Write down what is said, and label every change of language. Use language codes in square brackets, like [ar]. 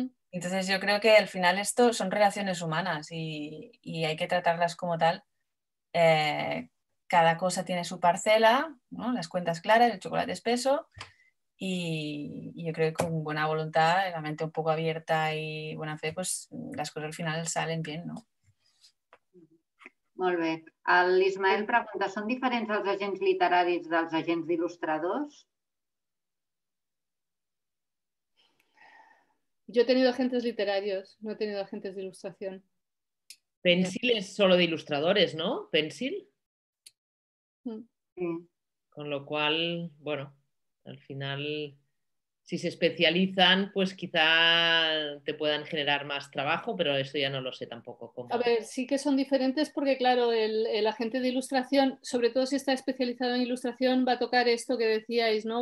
[es] Entonces yo creo que al final esto son relaciones humanas y hay que tratarlas como tal. Cada cosa tiene su parcela, ¿no? Las cuentas claras, el chocolate espeso, y yo creo que con buena voluntad, la mente un poco abierta y buena fe, pues las cosas al final salen bien, ¿no? [ca] Molt bé. L'Ismael pregunta, ¿són diferents els agents literaris dels agents d'il·lustradors? [es] Jo he tenido agentes literarios, no he tenido agentes d'il·lustración. Pencil és solo d'il·lustradores, no? Pencil? Sí. Con lo cual, bueno, al final, si se especializan, pues quizá te puedan generar más trabajo, pero eso ya no lo sé tampoco. ¿Cómo? A ver, sí que son diferentes porque, claro, el agente de ilustración, sobre todo si está especializado en ilustración, va a tocar esto que decíais, ¿no?